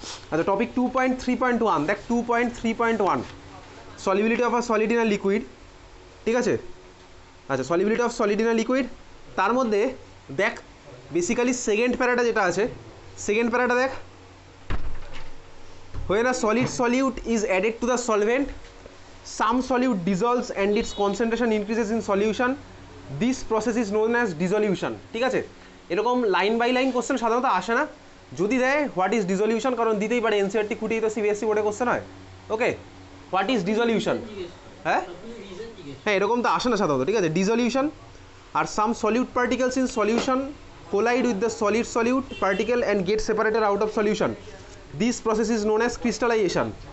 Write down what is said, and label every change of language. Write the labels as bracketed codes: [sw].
[bn] আচ্ছা টপিক 2.3.1, দেখ 2.3.1 solubility of a solid in a liquid, ঠিক আছে? আচ্ছা solubility of solid in a liquid, তার মধ্যে দেখ বেসিক্যালি সেকেন্ড প্যারাটা যেটা আছে, সেকেন্ড প্যারাটা দেখ। [en] When a solid solute is added to the solvent, some solute dissolves and its concentration increases in solution. This process is known as dissolution. [bn] ঠিক আছে, এরকম line by line question সাধারণত আসে না, যদি দেয় [en] what is dissolution, [bn] কারণ দিতেই পারে, এনসিআরটি খুঁটিয়ে তো সিবিএসসি বোর্ডে কোশ্চেন হয়। ওকে [en] what is dissolution, [bn] হ্যাঁ হ্যাঁ এরকম তো আসে না সাধারণত, ঠিক আছে? [en] Dissolution আর some solute particles in solution collide with the solid solute particle and get separated out of solution, this process is known as crystallisation.